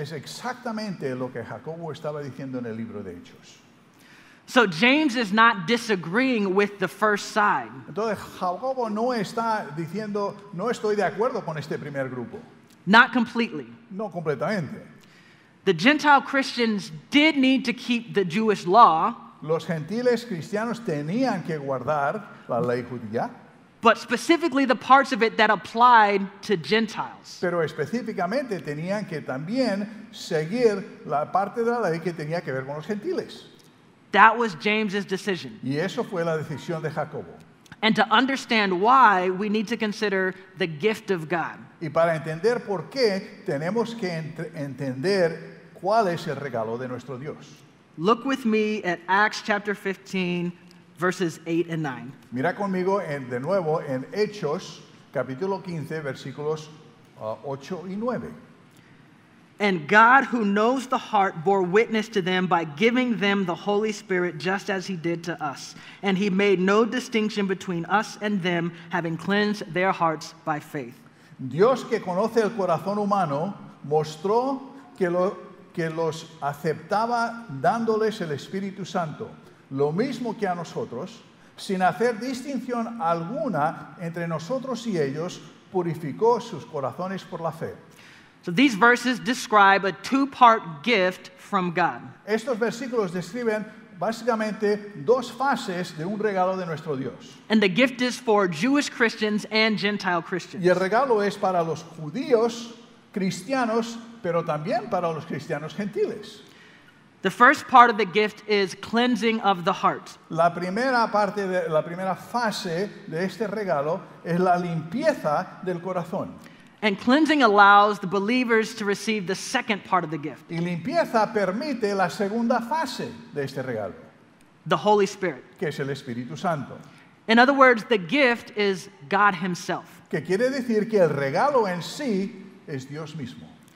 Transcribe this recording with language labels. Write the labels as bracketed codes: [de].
[es] Es exactamente lo que Jacobo estaba diciendo en el libro de Hechos. [en] So James is not disagreeing with the first side. [es] Entonces Jacobo no está diciendo, no estoy de acuerdo con este primer grupo. [en] Not completely. [es] No completamente. [en] The Gentile Christians did need to keep the Jewish law. [es] Los gentiles cristianos tenían que guardar la ley judía. [en] But specifically the parts of it that applied to Gentiles. [es] Pero específicamente tenían que también seguir la parte de la ley que tenía que ver con los gentiles. [en] That was James's decision. [es] Y eso fue la decisión de Jacobo. [en] And to understand why, we need to consider the gift of God. [es] Y para entender por qué, tenemos que entender cuál es el regalo de nuestro Dios. [en] Look with me at Acts chapter 15, verses 8 and 9. [es] Mira conmigo de nuevo en Hechos, capítulo 15, versículos 8 y 9. [en] And God, who knows the heart, bore witness to them by giving them the Holy Spirit just as he did to us. And he made no distinction between us and them, having cleansed their hearts by faith. [es] Dios, que conoce el corazón humano, mostró que lo que los aceptaba dándoles el Espíritu Santo, lo mismo que a nosotros, sin hacer distinción alguna entre nosotros y ellos, purificó sus corazones por la fe. [en] So these verses describe a two-part gift from God. [es] Estos versículos describen básicamente dos fases de un regalo de nuestro Dios. [en] And the gift is for Jewish Christians and Gentile Christians. [es] Y el regalo es para los judíos cristianos, pero también para los cristianos gentiles. [en] The first part of the gift is cleansing of the heart. [es] La primera fase de este regalo es la limpieza del corazón. [en] And cleansing allows the believers to receive the second part of the gift. [es] Y limpieza permite la segunda fase de este regalo. [en] The Holy Spirit. [es] Que es el Espíritu Santo. [en] In other words, the gift is God himself. [es] Que quiere decir que el regalo en sí es Dios mismo.